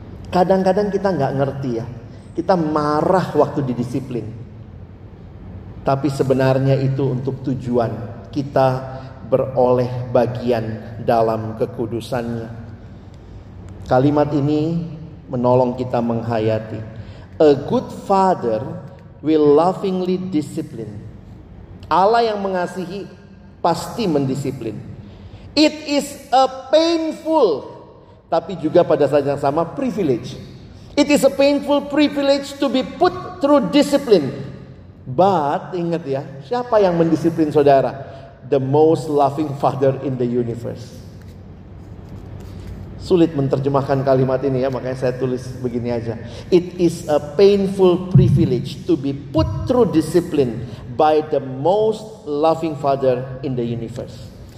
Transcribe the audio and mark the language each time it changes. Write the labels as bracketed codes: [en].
[id] Kadang-kadang kita gak ngerti ya, kita marah waktu didisiplin. Tapi sebenarnya itu untuk tujuan kita beroleh bagian dalam kekudusannya. Kalimat ini menolong kita menghayati. [en] A good father will lovingly discipline. [id] Allah yang mengasihi pasti mendisiplin. [en] It is a painful, [id] tapi juga pada saat yang sama privilege. [en] It is a painful privilege to be put through discipline. [id] But ingat ya, siapa yang mendisiplin saudara? [en] The most loving father in the universe. [id] Sulit menerjemahkan kalimat ini ya, makanya saya tulis begini aja. [en] It is a painful privilege to be put through discipline by the most loving father in the universe.